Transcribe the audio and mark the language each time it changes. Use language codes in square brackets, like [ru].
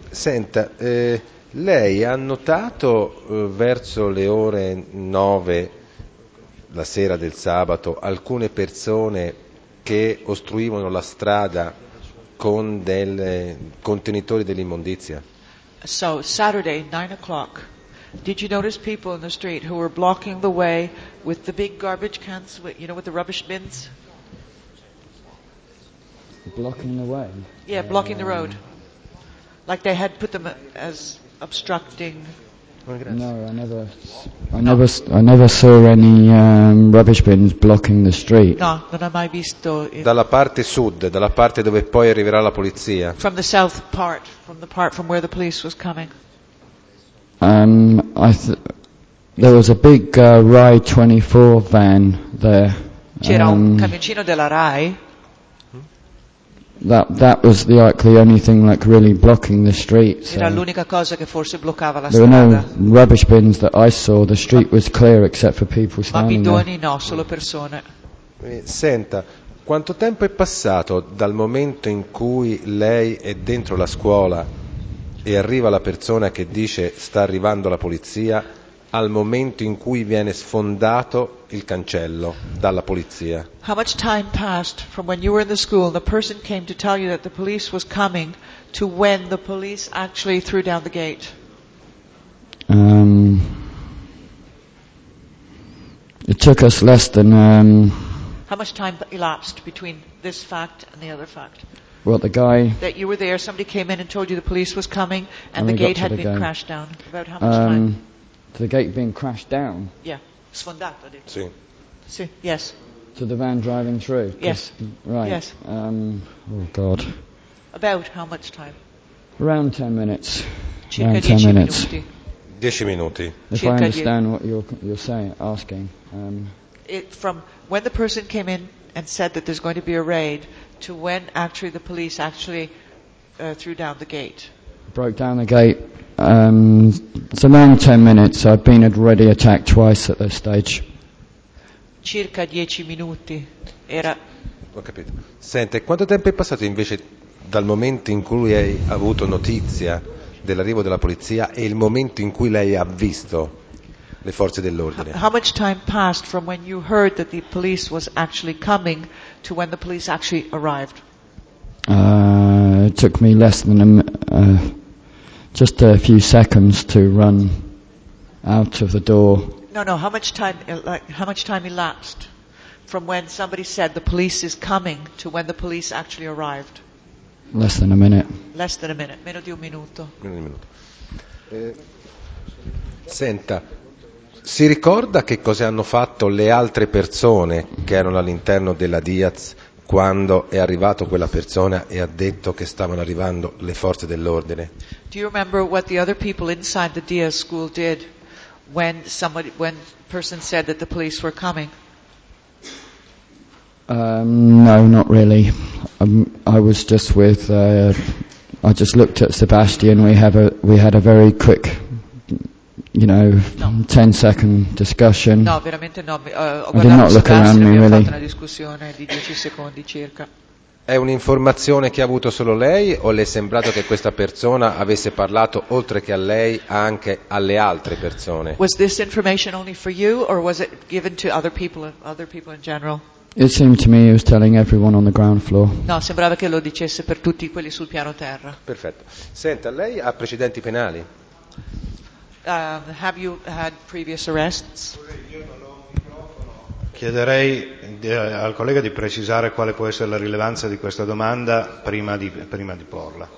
[it] Senta, lei ha notato verso le ore 9 la sera del sabato alcune persone che ostruivano la strada con del contenitori dell'immondizia? [en] So Saturday 9 o'clock, did you notice people in the street who were blocking the way with the big garbage cans, you know, with the rubbish bins? Blocking the way? Yeah, blocking the road. Like they had put them as obstructing. No, I never saw any rubbish bins blocking the street. [it] No, non ho mai visto. Dalla parte sud, dalla parte dove poi arriverà la polizia. [en] From the south part, from the part from where the police was coming. There was a big Rai 24 van there. [it] C'era un camioncino della Rai. [en] That was the only thing like really blocking the street. [it] Era l'unica cosa che forse bloccava la strada. [en] There were no rubbish bins that I saw. The street was clear except for people standing. [it] Ma bidoni no, solo persone. Senta, quanto tempo è passato dal momento in cui lei è dentro la scuola e arriva la persona che dice sta arrivando la polizia al momento in cui viene sfondato il cancello dalla polizia? [en] How much time passed from when you were in the school, the person came to tell you that the police was coming, to when the police actually threw down the gate? It took us less than How much time elapsed between this fact and the other fact? Well, the guy that you were there, somebody came in and told you the police was coming and the gate had been crashed down. About how much time? The gate being crashed down? Yeah. Sfondato. [it] Sì. Sì, yes. [en] To the van driving through? Yes. Right. Yes. Oh, God. About how much time? Around 10 minutes. [it] Circa [en] around 10 minutes. [it] 10 minuti. [en] If [it] circa [en] I understand what you're saying, asking. It, from when the person came in and said that there's going to be a raid to when actually the police actually threw down the gate. Broke down the gate. It's around 10 minutes. I've been already attacked twice at this stage. [it] Circa 10 minuti. Era. Ho capito. Senta, quanto tempo è passato invece dal momento in cui hai avuto notizia dell'arrivo della polizia e il momento in cui lei ha visto le forze dell'ordine? [en] How much time passed from when you heard that the police was actually coming to when the police actually arrived? It took me less than just a few seconds to run out of the door. No. How much time elapsed from when somebody said the police is coming to when the police actually arrived? Less than a minute. Less than a minute. [it] Meno di un minuto. Meno di un minuto. Senta. Si ricorda che cosa hanno fatto le altre persone che erano all'interno della Diaz quando è arrivato quella persona e ha detto che stavano arrivando le forze dell'ordine? [en] Do you remember what the other people inside the Diaz school did when somebody, when person said that the police were coming? No, not really. I was just with. I just looked at Sebastian. We had a very quick. You know, no. 10-second discussion. [it] No, veramente no. [en] I did not look around me, really. [it] Una discussione di 10 secondi circa. È un'informazione che ha avuto solo lei o le è sembrato che questa persona avesse parlato oltre che a lei anche alle altre persone? [en] Was this information only for you or was it given to other people in general? It seemed to me he was telling everyone on the ground floor. [it] No, sembrava che lo dicesse per tutti quelli sul piano terra. Perfetto. Senta, lei ha precedenti penali? [en] Have you had previous arrests? [it] Chiederei al collega di precisare quale può essere la rilevanza di questa domanda prima di porla.